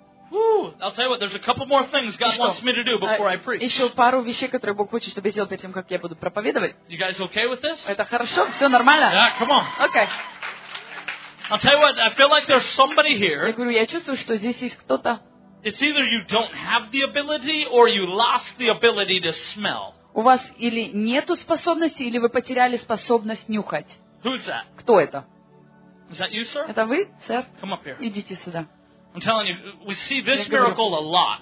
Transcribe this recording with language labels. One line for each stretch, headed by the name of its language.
English: Whew. I'll tell you what. There's a couple more things God wants me to do before I preach.
Russian: Еще пару вещей, которые Бог хочет, чтобы я сделал перед тем, как я буду проповедовать.
English: You guys okay with this?
Russian: Это хорошо, все нормально.
English: Yeah, come on. Okay. I'll tell you what. I feel like there's somebody here.
Russian: Я говорю, я чувствую, что здесь есть кто-то.
English: It's either you don't have the ability or you lost the ability to smell.
Russian: У вас или нету способности, или вы потеряли способность нюхать.
English: Who's that?
Russian: Кто это?
English: Is that you, sir?
Russian: Это вы, сэр?
English: Come up here.
Russian: Идите сюда.
English: I'm telling you, we see this miracle a lot.